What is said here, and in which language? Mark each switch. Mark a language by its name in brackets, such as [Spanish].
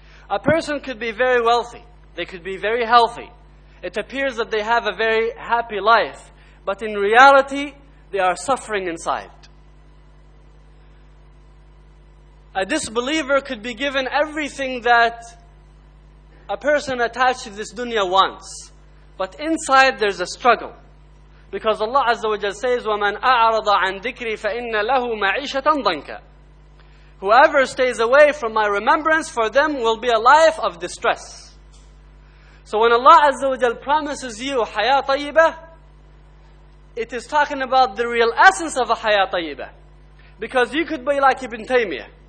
[English] A person could be very wealthy, they could be very healthy. It appears that they have a very happy life, but in reality, they are suffering inside. A disbeliever could be given everything that a person attached to this dunya wants, but inside there's a struggle. [Arabic] Because Allah Azza wa Jalla says, وَمَنْ أَعْرَضَ عَنْ ذِكْرِي فَإِنَّ لَهُ مَعِيشَةً ضَنْكَ. [English] Whoever stays away from my remembrance, for them will be a life of distress. So when Allah Azza wa Jal promises you Hayat Tayyibah, it is talking about the real essence of a Hayat Tayyibah. Because you could be like Ibn Taymiyyah.